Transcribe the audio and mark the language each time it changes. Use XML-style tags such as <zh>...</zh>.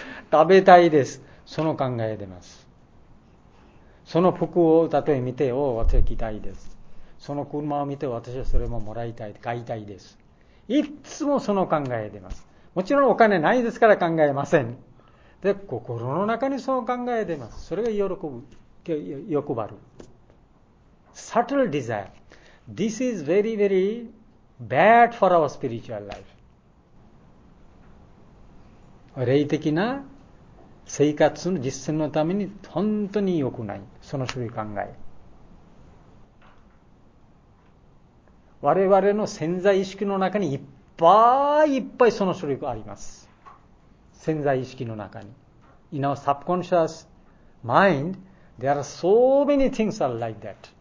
<ja>食べたいです。その考えでます。その服を例えば見て、私は着たいです。その車を見て、私はそれももらいたい、買いたいです。いつもその考えでます。もちろんお金ないですから考えません。で、心の中にそう考えています。それが欲張る。</ja> <en>Subtle desire. This is very, very bad for our spiritual life.</en> <ja>霊的な生活の実践のために本当に良くない。その種類考え。我々の潜在意識の中にいっぱいいっぱいその種類があります。潜在意識の中に。</ja> <en>In our subconscious mind, there are so many things are like that.</en>